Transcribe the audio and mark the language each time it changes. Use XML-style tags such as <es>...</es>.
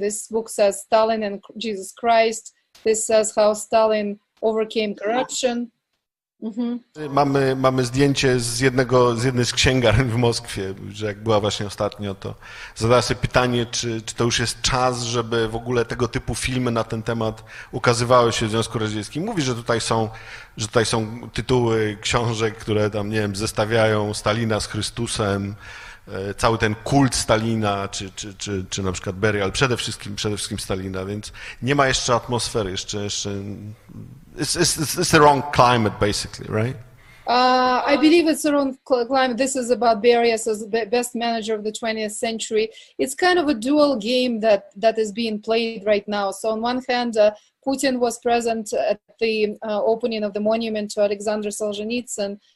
<en>This book says Stalin and Jesus Christ. This says how Stalin overcame corruption. Mm-hmm.</en> <pl>Mamy zdjęcie z jednej z księgarni w Moskwie, że jak była właśnie ostatnio, to zadała sobie pytanie, czy to już jest czas, żeby w ogóle tego typu filmy na ten temat ukazywały się w Związku Radzieckim. Mówi, że tutaj są tytuły książek, które tam, nie wiem, zestawiają Stalina z Chrystusem, cały ten kult Stalina, czy na przykład Beria, ale przede wszystkim Stalina, więc nie ma jeszcze atmosfery, jeszcze</pl> <en>it's the wrong climate basically, right? I believe it's around climate. This is about Beria as the best manager of the 20th century. It's kind of a dual game that is being played right now. So on one hand, Putin was present at the opening of the monument to Alexander Solzhenitsyn.</en>